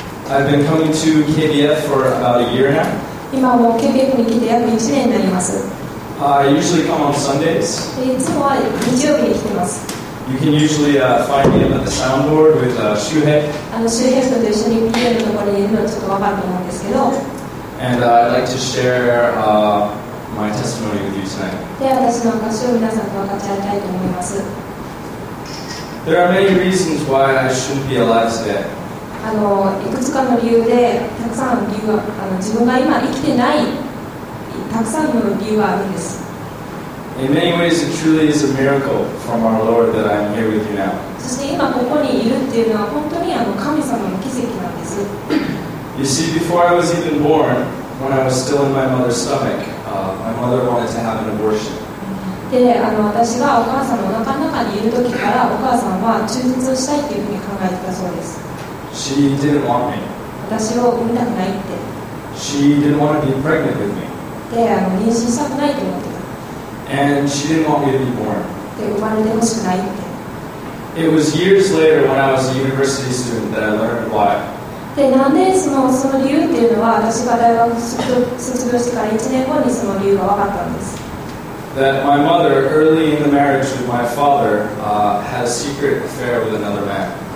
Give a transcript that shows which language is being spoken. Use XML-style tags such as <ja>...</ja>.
<en>I've been coming to KBF for about a year now.</en> <ja>今も KBF に来て約1年になります。</ja> <en>I usually come on Sundays.</en> <ja>いつもは日曜日に来てます。</ja> <en>You can usually find me at the soundboard with Shuhei.</en> <ja>Shuhei さんと一緒に見えるところにいるのはちょっとわかると思うんですけど。</ja> <en>And I'd like to share my testimony with you tonight.</en> <ja>で、私の証しを皆さんと分かち合いたいと思います。</ja> <en>There are many reasons why I shouldn't be alive today.</en> <ja>いくつかの理由で、たくさんの理由は、自分が今生きてない、たくさんの理由はあるんです。</ja> <en>In many ways, it truly is a miracle from our Lord that I am here with you now.</en> <ja>そして今ここにいるっていうのは本当に神様の奇跡なんです。</ja> <en>You see, before I was even born, when I was still in my mother's stomach, my mother wanted to have an abortion.</en> <ja>で、私がお母さんのお腹の中にいる時からお母さんは中絶をしたいっていうふうに考えてたそうです。</ja> <en>She didn't want me.</en> <ja>私を産みたくないって。</ja> <en>She didn't want to be pregnant with me.</en> <ja>で、妊娠したくないと思ってた。</ja> <en>And she didn't want me to be born.</en> <ja>で、生まれてほしくないって。</ja> <en>It was years later when I was a university student that I learned why.</en> <ja>で何年その理由っていうのは私が大学卒業してから1年後にその理由が分かったんです。</ja> <en>That my mother, early in the marriage with my father, had a secret affair with another man.</en>